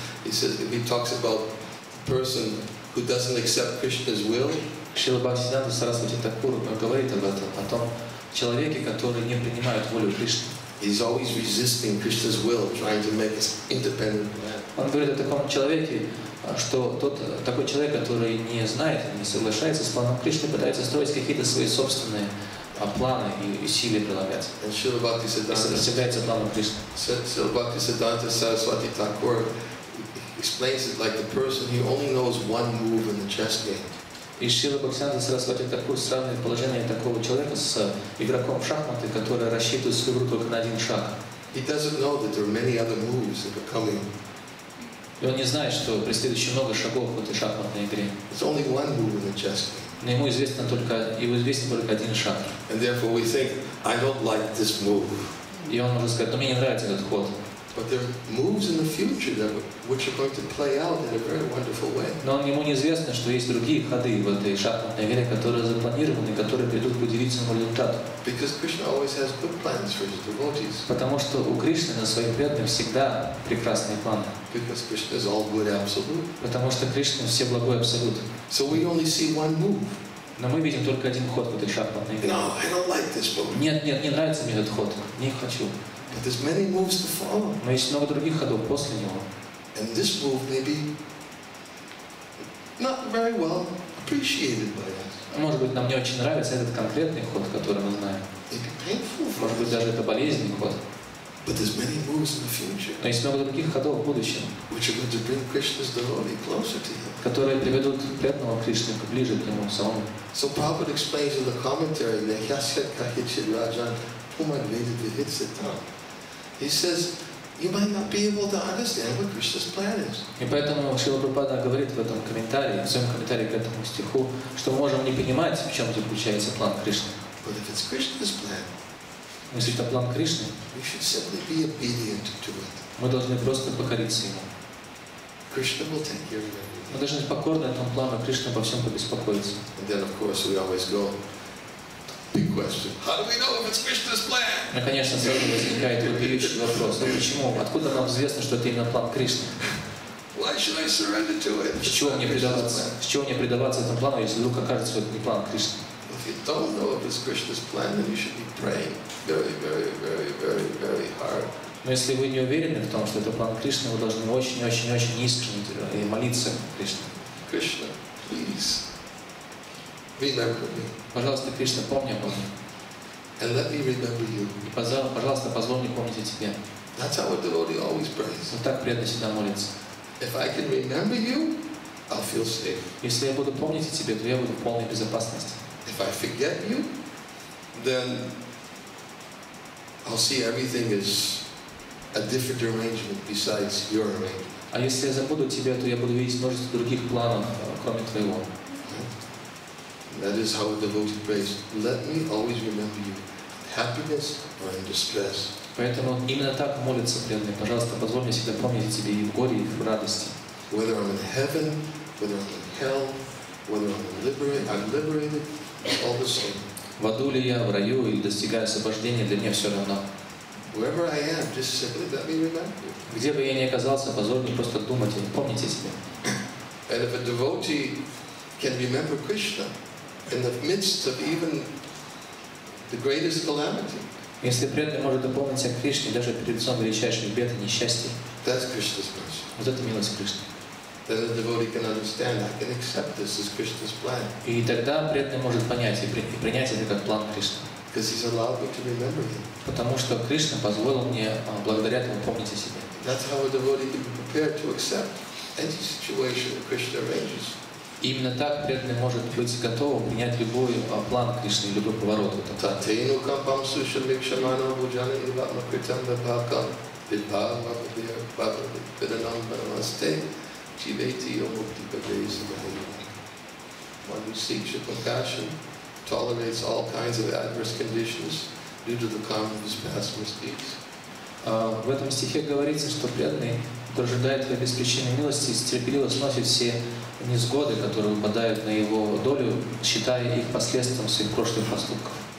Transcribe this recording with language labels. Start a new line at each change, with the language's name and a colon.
English: He says, if he talks about the person who doesn't accept Krishna's will,
Russian: Шрила Бхактисиддханта Сарасвати Такур говорит об этом, о том человеке, который не принимает волю Кришны.
English: He's always resisting Krishna's will, trying to make us independent.
Russian: Он говорит о таком человеке, что тот такой человек, который не знает, не соглашается с планом Кришны, пытается строить какие-то свои собственные планы и усилия прилагать.
English: Шрила Бхактисиддханта Сарасвати Такур explains it like the person who only knows one move in the chess game.
Russian: И Шрила Бхактисиддханта Сарасвати Такур сравнивает положение такого человека с игроком в шахматы, который рассчитывает свою игру только на один шаг.
English: He doesn't know that there are many other moves that are coming.
Russian: И он не знает, что предстоит еще много шагов в этой шахматной игре.
English: It's only one move in the chess game.
Russian: Но ему известно только, его известен только один шаг.
English: And therefore we think, I don't like this move.
Russian: И он может сказать, мне не нравится этот ход.
English: But there are moves in the future that which are going to play out in a very wonderful way.
Russian: Но ему неизвестно, что есть другие ходы в этой шахматной игре, которые запланированы, которые придут к удивительному результату.
English: Because Krishna always has good plans for his devotees.
Russian: Потому что у Кришны на своих преданных всегда прекрасные планы.
English: Because Krishna is all good absolute.
Russian: Потому что Кришна все благой абсолют.
English: So we only see one move.
Russian: Но мы видим только один ход в этой шахматной игре.
English: No, I don't like this move.
Russian: Нет, нет, не нравится мне этот ход. Не хочу.
English: But there's many moves to follow.
Russian: Но есть много других ходов после него.
English: And this move may be not very well appreciated by us.
Russian: Может быть, нам не очень нравится этот конкретный ход, который мы знаем. Может быть, даже это болезненный ход.
English: But there's many moves in the future.
Russian: Но есть много других ходов в будущем.
English: Which are going to bring Krishna's devotee closer to him.
Russian: Которые приведут преданного Кришны ближе к нему самому.
English: So Prabhupada explains in the commentary,
Sanskrit: Nehyasya Kahichit Rajan.
English: He says, "You might not be able to understand what Krishna's plan is."
Russian: И поэтому Шрила Прабхупада говорит в этом комментарии, в своем комментарии к этому стиху, что мы можем не понимать, в чем заключается план Кришны.
English: But if it's Krishna's plan,
Russian: если это план Кришны,
English: we should simply be obedient to it.
Russian: Мы должны просто покориться ему.
English: Krishna will take care of everything.
Russian: Мы должны покорно этому плану Кришны обо всем побеспокоиться.
English: And then, of course, we always go. Big question. How do we know if it's Krishna's plan?
Russian: Ну, конечно, сразу возникает удивительный вопрос. Но почему? Откуда нам известно, что это именно план Кришны?
English: Why should I surrender to it?
Russian: С чего мне предаваться? С чего мне предаваться этому плану, если вдруг окажется, что это не план Кришны?
English: If you don't know if it's Krishna's plan, then you should be praying very, very, very, very, very hard.
Russian: Но если вы не уверены в том, что это план Кришны, вы должны очень, очень, очень искренне молиться Кришне.
English: Krishna, please. Remember me.
Russian: Пожалуйста, Кришна, помни обо мне.
English: And let me remember you.
Russian: И пожалуйста, позволь мне помнить о тебе.
English: That's how a devotee always prays.
Russian: Вот так преданный всегда молится.
English: If I can remember you, I'll feel safe.
Russian: Если я буду помнить о тебе, то я буду в полной безопасности.
English: If I forget you, then I'll see everything as a different arrangement besides your arrangement.
Russian: А если я забуду тебя, то я буду видеть множество других планов, кроме твоего.
English: That is how a devotee prays. Let me always remember you, happiness or in distress.
Russian: Поэтому именно так молится преданный. Пожалуйста, позволь мне всегда помнить о тебе и в горе, и в радости.
English: Whether I'm in heaven, whether I'm in hell, whether I'm liberated, all the same.
Russian: В аду ли я, в раю или достигаю освобождения, для меня все равно.
English: Wherever I am, just simply let me remember you.
Russian: Где бы я ни оказался, позволь мне просто думать о нем, помнить о себе.
English: And if a devotee can remember Krishna. In the midst of even the greatest calamity.
Russian: Если преданный может помнить о Кришне даже перед самым величайшим бедом и несчастьем.
English: That's Krishna's mercy.
Russian: Вот это милость Кришны.
English: Then the devotee can understand. I can accept this as Krishna's plan.
Russian: И тогда преданный может понять и принять это как план Кришны.
English: Because he's allowed me to remember him.
Russian: Потому что Кришна позволил мне благодаря этому помнить о себе.
English: That's how a devotee can be prepared to accept any situation that Krishna arranges.
Russian: И именно так преданный может быть готовым принять любой план Кришны, любой поворот.
Sanskrit: Татейну кампам сушам микшамана буджана илбатма критам бапакам бидбава бабхир бабхир бидданам барамасте чивейти йомукти бабхирисам бабхирисам.
English: One who seeks your compassion tolerates all kinds of adverse conditions due to the karma of his past mistakes.
Russian: В этом стихе говорится, что преданный, который ожидает твоей беспричинной милости, стерпеливо сносит все несгоды, которые выпадают на его долю, считая их последствием своих прошлых поступков.